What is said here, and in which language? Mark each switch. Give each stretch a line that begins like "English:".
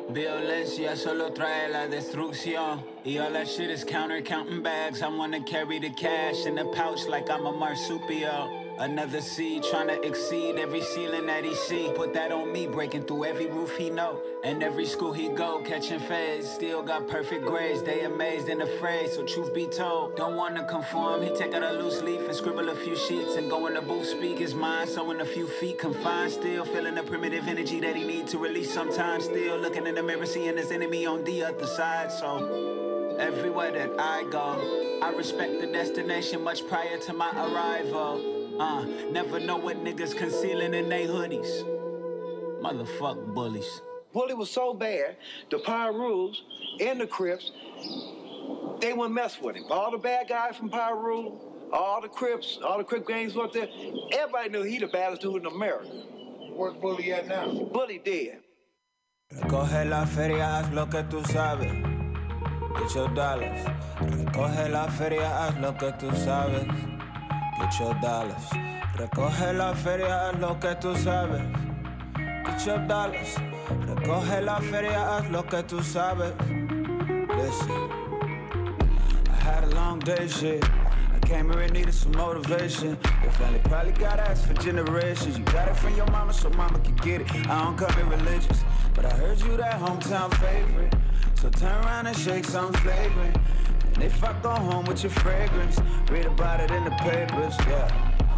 Spanish: Violencia solo trae la destrucción.
English: Y all that shit is counter counting bags. I wanna carry the cash in the pouch like I'm a marsupial. Another C trying to exceed every ceiling that he see. Put that on me, breaking through every roof he know. And every school he go, catching feds. Still got perfect grades, they amazed and afraid. So truth be told, don't wanna conform. He take out a loose leaf and scribble a few sheets. And go in the booth, speak his mind. So in a few feet, confined still. Feeling the primitive energy that he need to release sometimes. Still looking in the mirror, seeing his enemy on the other side. So everywhere that I go, I respect the destination much prior to my arrival. Never know what niggas concealing in they hoodies. Motherfuck bullies. Bully was so bad, the Power Rules and the Crips, they wouldn't mess with him. All the bad guys from Power Rule, all the Crips, all the Crip gangs up there, everybody knew he the baddest dude in America. Where's Bully at now? Bully dead.
Spanish: Recoge la feria, haz lo que tú sabes.
English: Get your dollars.
Spanish: Recoge la feria, haz lo que tú sabes.
English: Get your dollars.
Spanish: Recoge la feria, haz lo que tú sabes.
English: Get your dollars.
Spanish: Recoge la feria, haz lo que tú sabes.
English: Listen. I had a long day, shit. I came here and needed some motivation. Your family probably got ass for generations. You got it from your mama, so mama can get it. I don't come in religious, but I heard you that hometown favorite. So turn around and shake some flavoring. And if I go home with your fragrance, read about it in the papers, yeah.